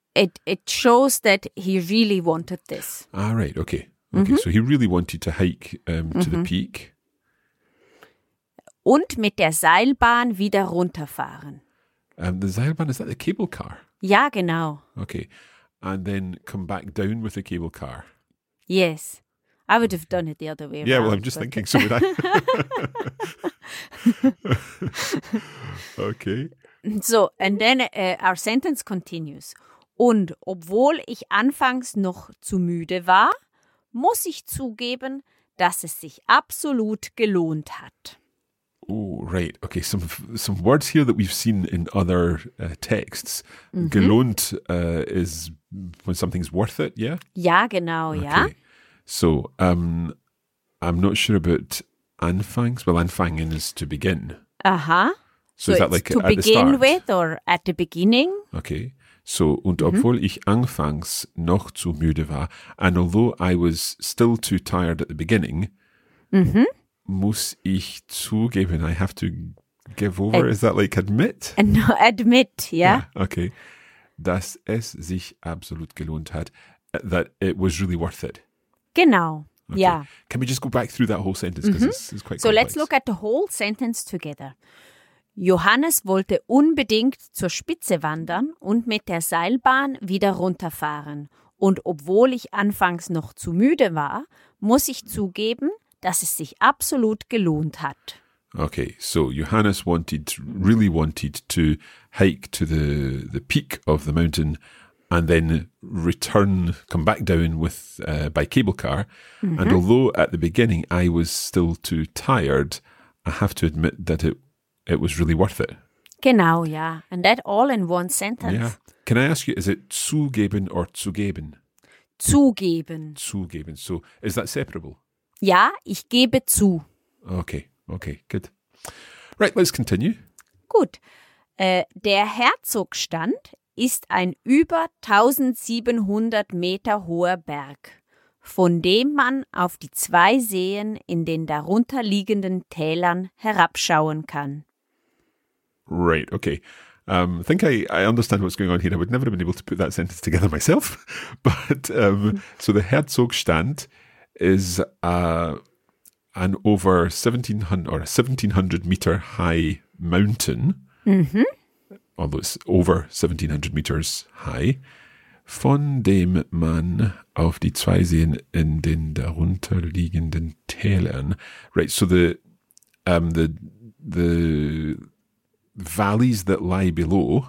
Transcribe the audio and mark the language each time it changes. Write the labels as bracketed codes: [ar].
[en] It shows that he really wanted this. Ah, right, okay. Okay, so he really wanted to hike to the peak. [de] Und mit der Seilbahn wieder runterfahren. [en] The Seilbahn, is that the cable car? [de] Ja, genau. [en] Okay, and then come back down with the cable car. Yes, I would have done it the other way around. Yeah, well, I'm just thinking, so would I. Okay. So, and then our sentence continues. [de] Und obwohl ich anfangs noch zu müde war, muss ich zugeben, dass es sich absolut gelohnt hat. [en] Oh, right. Okay, some words here that we've seen in other texts. Mm-hmm. Gelohnt is when something's worth it, yeah? [de] Ja, genau, [en] okay. [de] Ja. [en] So, I'm not sure about anfangs. Well, anfangen is to begin. Aha. So is that like to at begin the start? With or at the beginning? Okay. So, [de] und obwohl ich anfangs noch zu müde war, [en] and although I was still too tired at the beginning, [de] muss ich zugeben. [en] I have to give over. Is that like admit? No, admit, yeah. Okay. [de] Dass es sich absolut gelohnt hat. [en] That it was really worth it. Genau, okay. Yeah. Can we just go back through that whole sentence? Because it's quite complex. So let's look at the whole sentence together. [de] Johannes wollte unbedingt zur Spitze wandern und mit der Seilbahn wieder runterfahren. Und obwohl ich anfangs noch zu müde war, muss ich zugeben, dass es sich absolut gelohnt hat. [en] Okay, so Johannes really wanted to hike to the peak of the mountain and then come back down by cable car. Mm-hmm. And although at the beginning I was still too tired, I have to admit that it was really worth it. Genau, yeah. And that all in one sentence. Yeah. Can I ask you, is it zugeben or zugeben? [de] Zugeben. [en] Zugeben. So is that separable? [de] Ja, ich gebe zu. [en] Okay, good. Right, let's continue. [de] Gut. Der Herzogstand ist ein über 1700 Meter hoher Berg, von dem man auf die zwei Seen in den darunterliegenden Tälern herabschauen kann. [en] Right, okay. I think I understand what's going on here. I would never have been able to put that sentence together myself. But so the Herzogstand is an over 1700 meter high mountain. Mm-hmm. Although it's over 1700 meters high. [de] Von dem man auf die zwei Seen in den darunterliegenden Tälern. [en] Right, so the valleys that lie below,